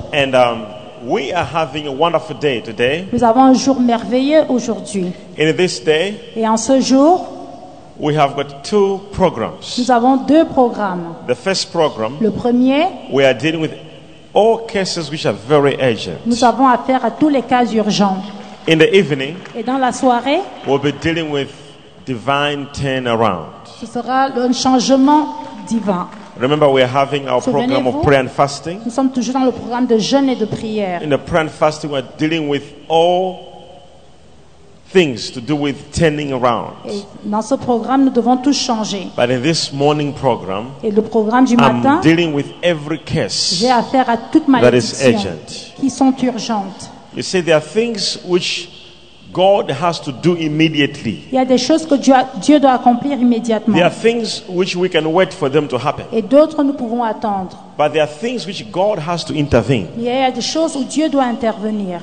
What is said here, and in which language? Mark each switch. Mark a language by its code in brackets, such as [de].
[en] And we are having a wonderful day today. [fr] Nous avons un jour merveilleux aujourd'hui. [en] In this day. [fr] Et en ce jour. [en] We have got two programs. [fr] Nous avons deux programmes. [en] The first program. [fr] Le premier. [en] We are dealing with all cases which are very urgent. [fr] Nous avons affaire à tous les cas urgents. [en] In the evening. [fr] Et dans la soirée. [en] We'll be dealing with divine turnaround. [fr] Ce sera un changement. Divin. [en] Remember, we are having our program of prayer and fasting. [fr] Nous sommes toujours dans le programme de jeûne et de prière. [en] In the prayer and fasting, we are dealing with all things to do with turning around. [fr] Et dans ce programme, nous devons tout changer. [en] But in this morning program, [fr] et le programme du matin, [en] I'm dealing with every case [fr] j'ai affaire à toute malédiction [en] that is urgent. [fr] Qui sont urgentes. [en] You see, there are things which God has to do immediately. [fr] Il y a des choses que Dieu doit accomplir immédiatement. [en] There are things which we can wait for them to happen. [fr] Et d'autres nous pouvons attendre. [en] But there are things which God has to intervene. [fr] Il y a des choses où Dieu doit intervenir.